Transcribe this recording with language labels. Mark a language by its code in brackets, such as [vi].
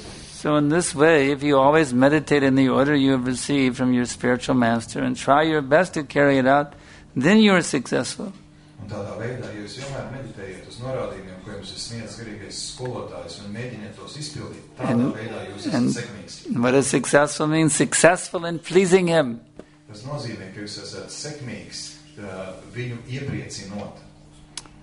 [en] So in this way, if you always meditate in the order you have received from your spiritual master and try your best to carry it out, then you are successful. [lv] Un tādā veidā, ja jūs vienmēr meditējat uz norādījumiem, ko jums ir sniedzis garīgais skolotājs un mēģiniet tos izpildīt, tādā veidā jūs esat sekmīgs. [en] What does successful mean? Successful in pleasing him. [lv] Tas nozīmē, ka jūs esat sekmīgs viņu iepriecinot.